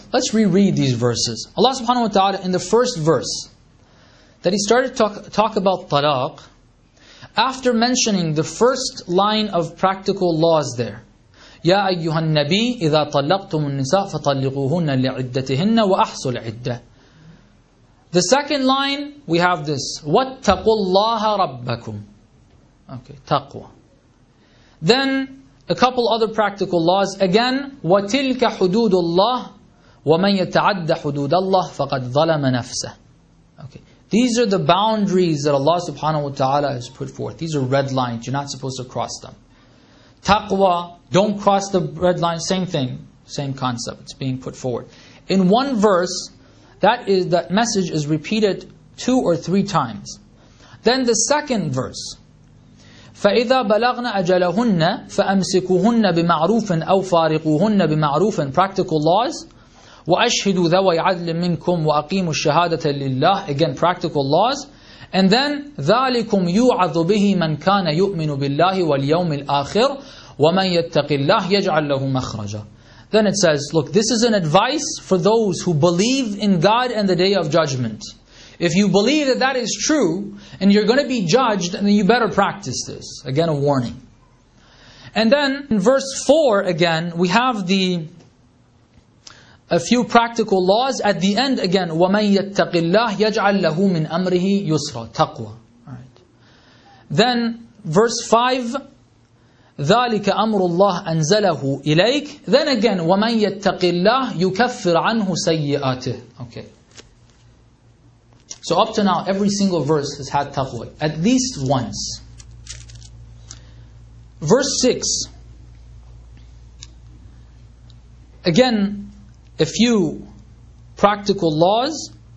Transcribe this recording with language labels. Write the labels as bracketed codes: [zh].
[en] Let's reread these verses. Allah subhanahu wa ta'ala, in the first verse, that He started to talk about talaq, after mentioning the first line of practical laws there, [ar] يَا أَيُّهَا النَّبِيِّ إِذَا طَلَّقْتُمُ النِّسَاءَ فَطَلِّقُوهُنَّ لِعِدَّتِهِنَّ وَأَحْصُوا الْعِدَّةِ. [en] The second line, we have this, [ar] وَاتَّقُوا اللَّهَ رَبَّكُمْ. [en] Okay, taqwa. Then, a couple other practical laws, again, [ar] وَتِلْكَ حُدُودُ اللَّهِ وَمَنْ يَتَعَدَّ حُدُودَ اللَّهِ فَقَدْ ظَلَمَ نَفْسَهُ. [en] Okay, these are the boundaries that Allah subhanahu wa ta'ala has put forth. These are red lines, you're not supposed to cross them. Taqwa, don't cross the red line, same thing, same concept, it's being put forward. In one verse, that message is repeated two or three times. Then the second verse, [ar] فَإِذَا بَلَغْنَ أَجَلَهُنَّ فَأَمْسِكُهُنَّ بِمَعْرُوفٍ أَوْ فَارِقُهُنَّ بِمَعْرُوفٍ. [en] Practical laws, [ar] وَأَشْهِدُوا ذَوَيْ عَدْلٍ مِّنْكُمْ وَأَقِيمُوا الشَّهَادَةَ لِلَّهِ. [en] Again, practical laws. And then, [ar] ذَلِكُمْ يُعَظُ بِهِ مَنْ كَانَ يُؤْمِنُ بِاللَّهِ وَالْيَوْمِ الْآخِرِ وَمَنْ يَتَّقِ اللَّهِ يَجْعَلْ لَهُ مَخْرَجًا. [en] Then it says, look, this is an advice for those who believe in God and the Day of Judgment. If you believe that that is true, and you're going to be judged, then you better practice this. Again, a warning. And then, in verse 4 again, we have a few practical laws. At the end again, [ar] وَمَنْ يَتَّقِ اللَّهِ يَجْعَلْ لَهُ مِنْ أَمْرِهِ يُسْرًا تَقْوَى. [en] Alright. Then, verse 5, [ar] ذَلِكَ أَمْرُ اللَّهِ أَنْزَلَهُ إِلَيْكَ. [en] Then again, [ar] وَمَنْ يَتَّقِ اللَّهِ يُكَفِّرْ عَنْهُ سَيِّئَاتِهِ. [en] Okay. So up to now, every single verse has had taqwa, at least once. Verse 6. Again, a few practical laws.